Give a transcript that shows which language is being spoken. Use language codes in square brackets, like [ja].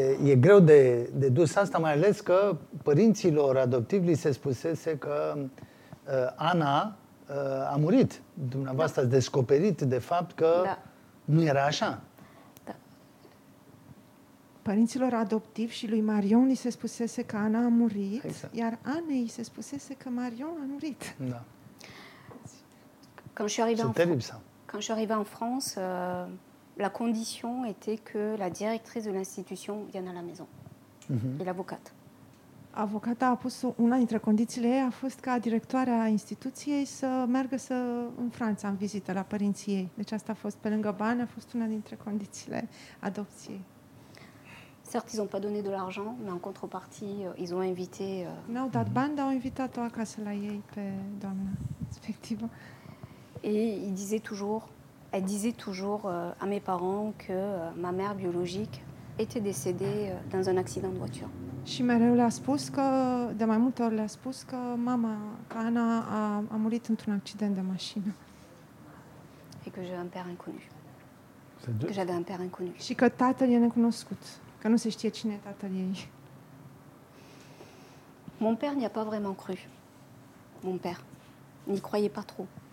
[ro] E greu de dus asta, mai ales că părinților adoptivi li se spusese că Ana a murit. Dumneavoastră ați descoperit, de fapt, că nu era așa. Da. Părinților adoptivi și lui Marion li se spusese că Ana a murit, iar Anei se spusese că Marion a murit. Da. [fr] C'est terrible, ça. Quand je suis arrivée en France... La condition était que la directrice de l'institution vienne à la maison. Mm-hmm. Et l'avocate. [ro] Avocata a pus una dintre condițiile ei a fost ca directoarea instituției să meargă să în Franța în vizită la părinții ei. Deci asta a fost pe lângă bani, a fost una dintre condițiile adopției. [fr] Certes, ils ont pas donné de l'argent, mais en contrepartie, ils ont invité [ro] N-au dat bani, dar au invitat-o acasă la ei pe doamna respectivă. [fr] Et il disait toujours Elle disait toujours à mes parents que ma mère biologique était décédée dans un accident de voiture. [ro] Și mereu le-a spus că de mai multe ori le-a spus că mama, că Ana a murit într-un accident de mașină. [fr] Et que j'avais un père inconnu. Que j'avais un père inconnu. [ro] Și că tatăl e necunoscut, că nu se știe cine e tatăl ei. [fr] Mon père n'y a pas vraiment cru. Mon père n'y croyait pas trop.